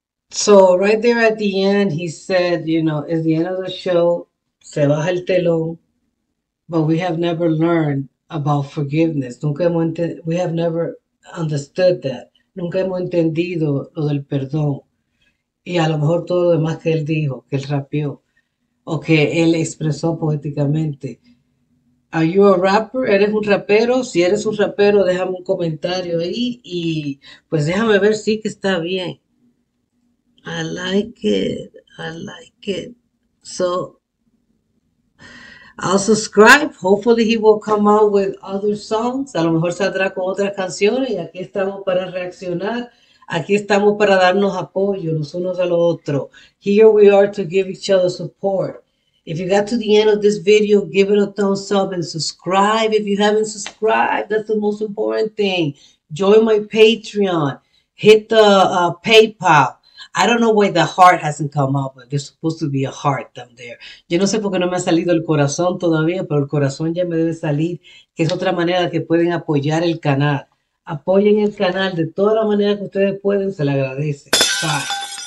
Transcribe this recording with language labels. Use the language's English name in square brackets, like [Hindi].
[English] So right there at the end, he said, you know, it's the end of the show. [Spanish] Se baja el telón, [English] but we have never learned about forgiveness. [Spanish] Nunca hemos entendido, [English] we have never understood that. [Spanish] Nunca hemos entendido lo del perdón. Y a lo mejor todo lo demás que él dijo, que él rapeó, o que él expresó poéticamente. [English] Are you a rapper? [Spanish] ¿Eres un rapero? Si eres un rapero, déjame un comentario ahí y pues déjame ver si que está bien. [English] I like it. I like it. So, I'll subscribe. Hopefully he will come out with other songs. [Spanish] A lo mejor saldrá con otras canciones y aquí estamos para reaccionar. Aquí estamos para darnos apoyo los unos a los otros. [English] Here we are to give each other support. If you got to the end of this video, give it a thumbs up and subscribe if you haven't subscribed. That's the most important thing. Join my Patreon. Hit the PayPal. I don't know why the heart hasn't come up, but there's supposed to be a heart down there. [Spanish] Yo no sé por qué no me ha salido el corazón todavía, pero el corazón ya me debe salir, que es otra manera que pueden apoyar el canal. Apoyen el canal de toda la manera que ustedes pueden, se le agradece. Bye.